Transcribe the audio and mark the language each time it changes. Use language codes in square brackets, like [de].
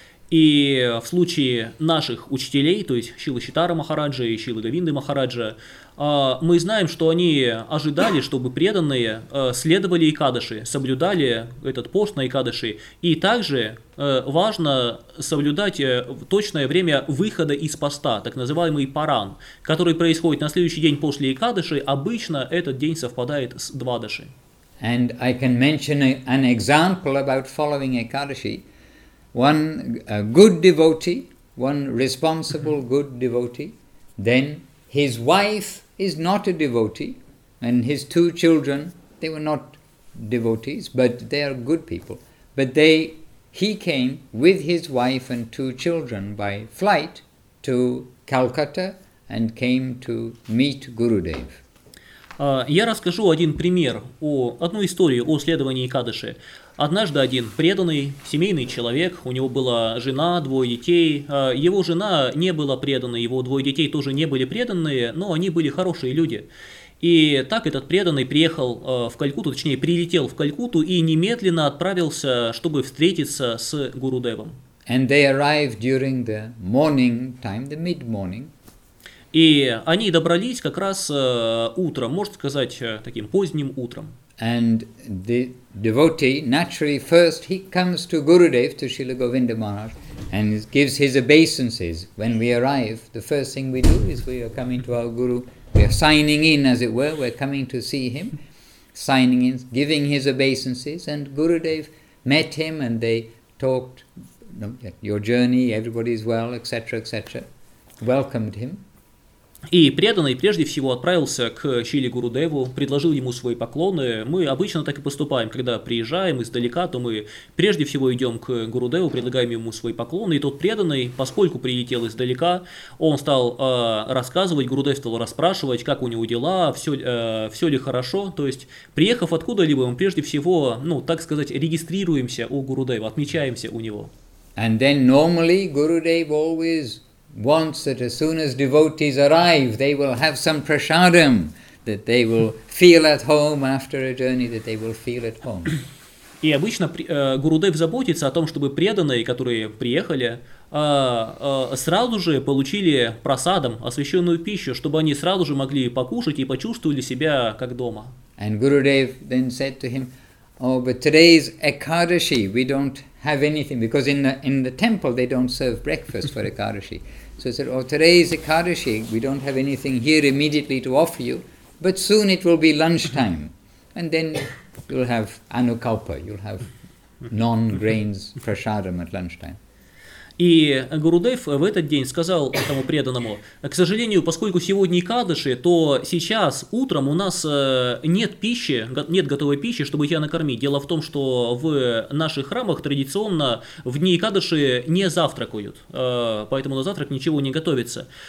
[ru] И в случае наших учителей, то есть Шилы Шитара Махараджа и Шилы Говинды Махараджа, мы знаем, что они ожидали, чтобы преданные следовали Экадаши, соблюдали этот пост на Экадаши, и также важно соблюдать точное время выхода из поста, так называемый паран, который происходит на следующий день после Экадаши, обычно этот день совпадает с Двадаши. [en] And I can mention an example about following Ekadashi. One good devotee, one responsible good devotee, then his wife is not a devotee, and his two children, they were not devotees, but they are good people. But he came with his wife and two children by flight to Calcutta and came to meet Gurudev. [ru] Я расскажу один пример, одну историю о следовании Экадаши. Однажды один преданный семейный человек, у него была жена, двое детей. Его жена не была преданной, его двое детей тоже не были преданные, но они были хорошие люди. И так этот преданный приехал в Калькутту, точнее прилетел в Калькутту и немедленно отправился, чтобы встретиться с Гурудевом. [en] And they arrived during the morning time, the mid-morning. [ru] И они добрались как раз утром, можно сказать, таким поздним утром. [en] And the devotee, naturally, first he comes to Gurudev, to Srila Govinda Maharaj, and gives his obeisances. When we arrive, the first thing we do is we are coming to our guru, we are signing in, as it were, we're coming to see him, signing in, giving his obeisances, and Gurudev met him, and they talked, your journey, everybody's well, etc., etc., welcomed him. [ru] И преданный прежде всего отправился к Шиле Гурудеву, предложил ему свои поклоны. Мы обычно так и поступаем, когда приезжаем издалека, то мы прежде всего идем к Гурудеву, предлагаем ему свои поклоны. И тот преданный, поскольку прилетел издалека, он стал рассказывать, Гурудев стал расспрашивать, как у него дела, все ли хорошо. То есть, приехав откуда-либо, мы прежде всего, так сказать, регистрируемся у Гурудева, отмечаемся у него. [en] And then normally Gurudev always wants that as soon as devotees arrive, they will have some prasadam, that they will feel at home after a journey, that they will feel at home. [ru] И обычно Гурудев заботится о том, чтобы преданные, которые приехали, сразу же получили прасадам, освященную пищу, чтобы они сразу же могли покушать и почувствовали себя как дома. [en] And Gurudev then said to him, oh, but today is Ekadashi, we don't have anything, because in the temple they don't serve breakfast for Ekadashi. So he said, oh, today is Ekadashi, we don't have anything here immediately to offer you, but soon it will be lunchtime, and then you'll have anukalpa, you'll have non-grains prasadam at lunchtime. [ru] И Гурудев в этот день сказал этому преданному, к сожалению, поскольку сегодня Экадаши, то сейчас утром у нас нет пищи, нет готовой пищи, чтобы тебя накормить. Дело в том, что в наших храмах традиционно в дни Экадаши не завтракают, поэтому на завтрак ничего не готовится.